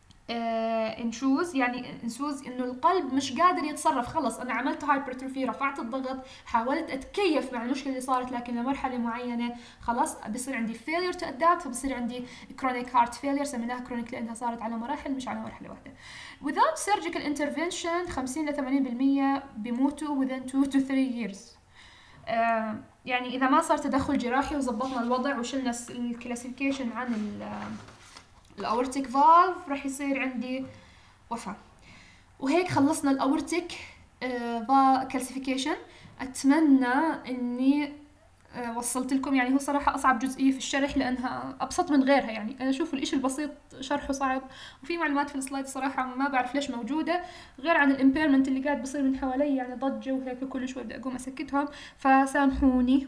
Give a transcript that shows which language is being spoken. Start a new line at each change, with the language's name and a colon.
Arabic: انشوز يعني انشوز انه القلب مش قادر يتصرف خلص انا عملت hypertrophy رفعت الضغط حاولت اتكيف مع المشكلة اللي صارت لكن لمرحلة معينة خلص بصير عندي failure to adapt فبصير عندي chronic heart failure سميناها chronic لانها صارت على مراحل مش على مرحلة واحدة.
English: Without surgical intervention 50-80%
Arabic: بيموتوا
English: within 2-3 years.
Arabic: يعني اذا ما صار تدخل جراحي وزبطنا الوضع وشلنا الكلاسيفيكيشن عن الاورتيك فالف رح يصير عندي وفاة. وهيك خلصنا الاورتيك كلاسيفيكيشن. اتمنى اني وصلت لكم، يعني هو صراحة أصعب جزئية في الشرح لأنها أبسط من غيرها، يعني أنا أشوف الإشي البسيط شرحه صعب وفي معلومات في السلايد صراحة ما بعرف ليش موجودة غير عن الإمبيرمنت اللي قاعد بصير من حوالي يعني ضجة وهيك كل شوي بدي أقوم أسكتهم فسامحوني.